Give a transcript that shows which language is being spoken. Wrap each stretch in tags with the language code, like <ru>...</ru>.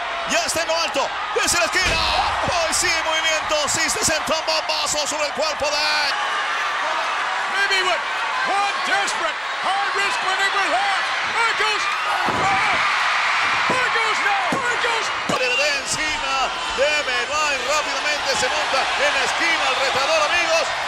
<es>Ya está en lo alto, desde la esquina. Oh, sí, movimiento. Sí, se sentó un bombazo sobre el cuerpo de él.</es> <en>Maybe with one desperate, hard risk maneuver left. Here goes. Here goes now. Here goes.</en> <es>Pero de encima, de Melvin, rápidamente se monta en la esquina al retador, amigos.</es>